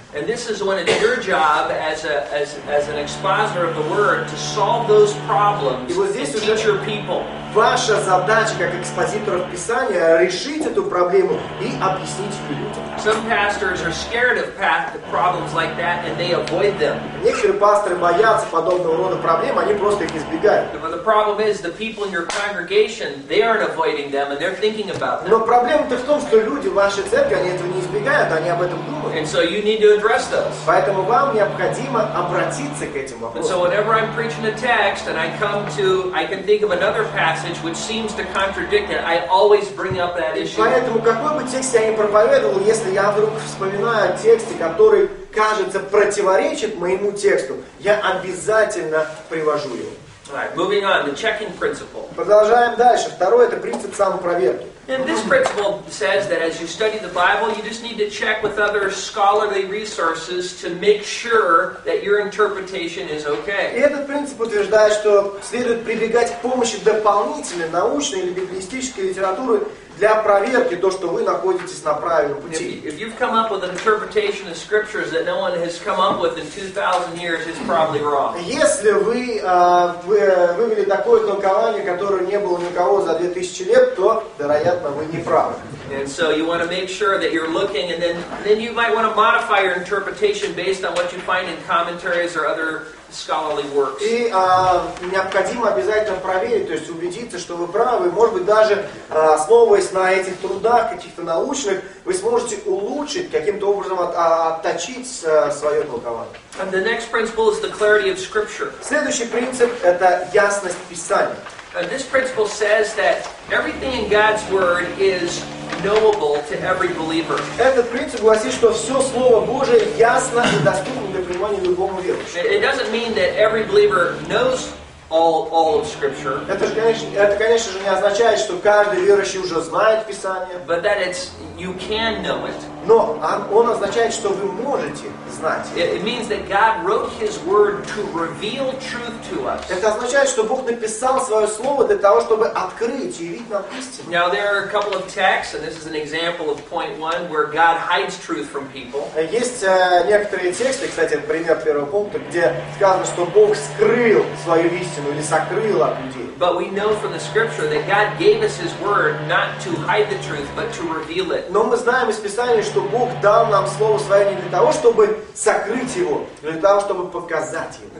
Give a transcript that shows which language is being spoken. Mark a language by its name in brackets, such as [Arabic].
[English] And this is when it's your job as an expositor of the word to solve those problems. [Russian] И вот здесь уже [English] your people. [Russian] Ваша задача как экспозиторов Писания решить эту проблему и объяснить ее людям. [English] Some pastors are scared of problems like that and they avoid them. [Russian] Некоторые пасторы боятся подобного рода проблем, они просто их избегают. [English] But the problem is the people in your congregation, they aren't avoiding them and they're thinking about them. [Russian] Но проблема-то в том, что люди в вашей церкви, они этого не избегают, они об этом думают. [English] And so you need to address those. [Russian] Поэтому вам необходимо обратиться к этим вопросам. [English] And so whenever I'm preaching a text and I can think of another passage which seems to contradict it, I always bring up that issue. [Russian] Поэтому какой бы текст я ни проповедовал, если я вдруг вспоминаю о тексте, который кажется противоречит моему тексту, я обязательно привожу его. [English] Alright, moving on, the checking principle. [Russian] Продолжаем дальше. Второе, это принцип самопроверки. [English] And this principle says that as you study the Bible, you just need to check with other scholarly resources to make sure that your interpretation is okay. [Russian] И этот принцип утверждает, что следует прибегать к помощи дополнительной научной или библистической литературы для проверки то, что вы находитесь на правильном пути. [English] If you've come up with an interpretation of scriptures that no one has come up with in 2,000 years, it's probably wrong. [Russian] Если вы вывели такое толкование, которое не было никого за 2000 лет, то, вероятно, вы не правы. [English] And so you want to make sure that you're looking, and then you might want to modify your interpretation based on what you find in commentaries or other scholarly works. [Russian] И необходимо обязательно проверить, то есть убедиться, что вы правы. Может быть, даже основываясь на этих трудах каких-то научных, вы сможете улучшить, каким-то образом отточить свое толкование. [English] And the next principle is the clarity of scripture. [Russian] Следующий принцип – это ясность Писания. [English] This principle says that everything in God's word is knowable to every believer. [Russian] Этот принцип гласит, что все слово Божие ясно и доступно для понимания любому верующему. [English] It doesn't mean that every believer knows all of Scripture. [Russian] Это, конечно же, не означает, что каждый верующий уже знает Писание. [English] But that it's you can know it. [Russian] Но он означает, что вы можете знать. [English] It means that God wrote His Word to reveal truth to us. [Russian] Это означает, что Бог написал свое слово для того, чтобы открыть и явить нам истину. [English] Now there are a couple of texts, and this is an example of point one, where God hides truth from people. [Russian] Есть некоторые тексты, кстати, это пример первого пункта, где сказано, что Бог скрыл свою истину или сокрыл от людей. [English] But we know from the Scripture that God gave us His Word not to hide the truth, but to reveal it. [Russian] Но мы знаем из Писания, что Бог дал нам Слово Свое не для того, чтобы сокрыть его, а для того, чтобы показать его.